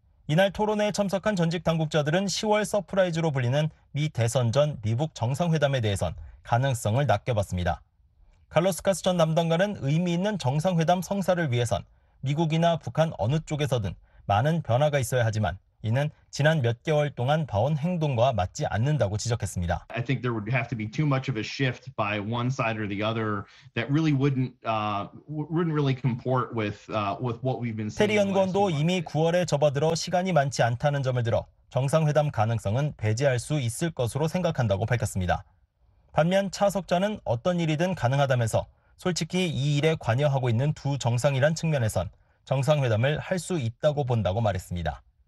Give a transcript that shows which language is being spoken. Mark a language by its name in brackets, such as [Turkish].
[Korean] 이날 토론회에 참석한 전직 당국자들은 10월 서프라이즈로 불리는 미 대선 전 미북 정상회담에 대해선 가능성을 낚여봤습니다. 칼로스 카스 전 담당관은 의미 있는 정상회담 성사를 위해선 미국이나 북한 어느 쪽에서든 많은 변화가 있어야 하지만 이는 지난 몇 개월 동안 봐온 행동과 맞지 않는다고 지적했습니다. [English] I think there would have to be too much of a shift by one side or the other that really wouldn't really comport with what we've been seeing. [Korean] 테리 연구원도 이미 9월에 접어들어 시간이 많지 않다는 점을 들어 정상회담 가능성은 배제할 수 있을 것으로 생각한다고 밝혔습니다. 반면 차석자는 어떤 일이든 가능하다면서 솔직히 이 일에 관여하고 있는 두 정상이란 측면에선 정상회담을 할 수 있다고 본다고 말했습니다.